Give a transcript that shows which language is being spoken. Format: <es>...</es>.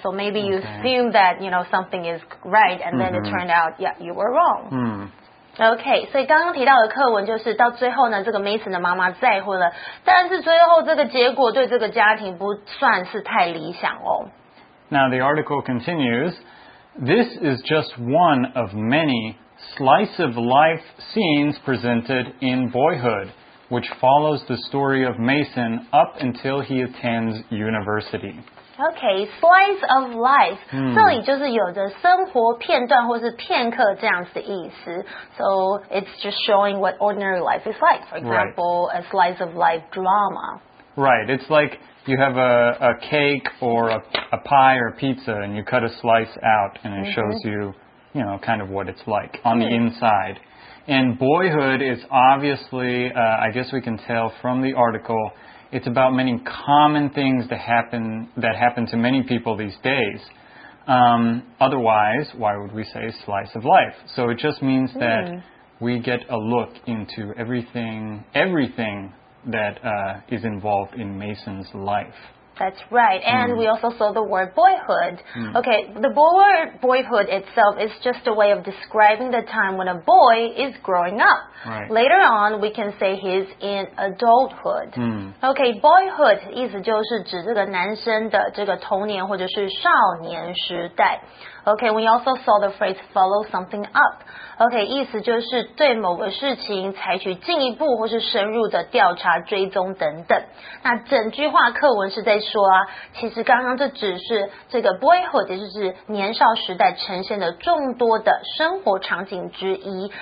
<en>So maybe you assume that, you know, something is right, and then it turned out, yeah, you were wrong.</en> <zh>Okay, 所以刚刚提到的课文就是到最后呢，这个 Mason 的妈妈再婚了，但是最后这个结果对这个家庭不算是太理想哦。</zh> <en>Now the article continues, this is just one of many slice of life scenes presented in Boyhood. Which follows the story of Mason up until he attends university. Okay, slice of life.</en> <zh>这里就是有着生活片段或是片刻这样子的意思。</zh> <en>So it's just showing what ordinary life is like. For example, a slice of life drama. Right, it's like you have a cake or a pie or a pizza and you cut a slice out and it shows you, you know, kind of what it's like on the inside. And Boyhood is obviously, I guess we can tell from the article, it's about many common things that happen to many people these days. Otherwise, why would we say slice of life? So it just means that we get a look into everything that is involved in Mason's life. That's right. And we also saw the word boyhood. Okay, the word boyhood itself is just a way of describing the time when a boy is growing up. Right. Later on, we can say he's in adulthood.</en> <zh>Okay, boyhood 意思就是指这个男生的这个童年或者是少年时代。</zh> <en>Okay, we also saw the phrase follow something up.</en> <zh>Okay, 意思就是对某个事情采取进一步或是深入的调查、追踪等等。那整句话课文是在说啊，其实刚刚这只是这个 boyhood， 也就是年少时代呈现的众多的生活场景之一。</zh>